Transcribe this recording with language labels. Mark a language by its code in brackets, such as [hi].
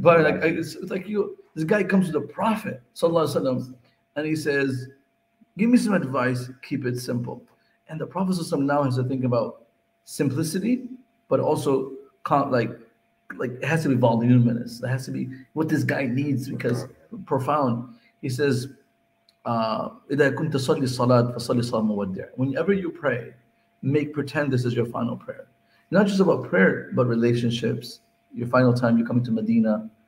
[en] But like, it's like you, this guy comes to the Prophet, sallallahu alayhi wa sallam, and he says, give me some advice, keep it simple. And the Prophet now has to think about simplicity, but also like it has to be voluminous. It has to be what this guy needs, because profound. He says, [ar] إذا كنت تصلي الصلاة فصلي صلاة مودع. [en] Whenever you pray, make pretend this is your final prayer. Not just about prayer, but relationships. Your final time, you come to Medina.